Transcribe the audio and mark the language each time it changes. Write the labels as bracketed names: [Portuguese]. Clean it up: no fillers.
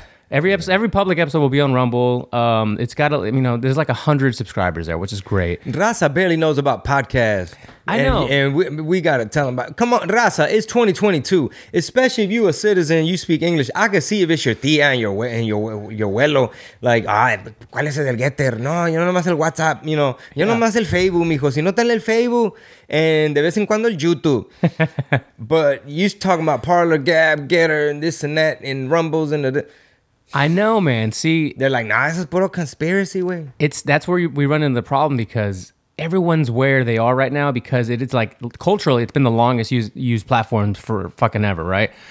[English] Every public episode will be on Rumble. It's got, there's like 100 subscribers there, which is great. Raza barely knows about podcasts. I know. And we got to tell them about it. Come on, Raza, it's 2022. Especially if you a citizen, you speak English. I can see if it's your tía and your abuelo. [Spanish] Like, ¿cuál es el getter? No, yo no más el WhatsApp, Yo no más el Facebook, mijo. Si no tenle el Facebook, and de vez en cuando el YouTube. [English] But you talking about Parler, Gab, Getter, and this and that, and Rumbles, and the... I know, man. See, they're like, nah, this is a conspiracy way. That's where we run into the problem, because everyone's where they are right now, because it's like, culturally, it's been the longest used platform for fucking ever, right?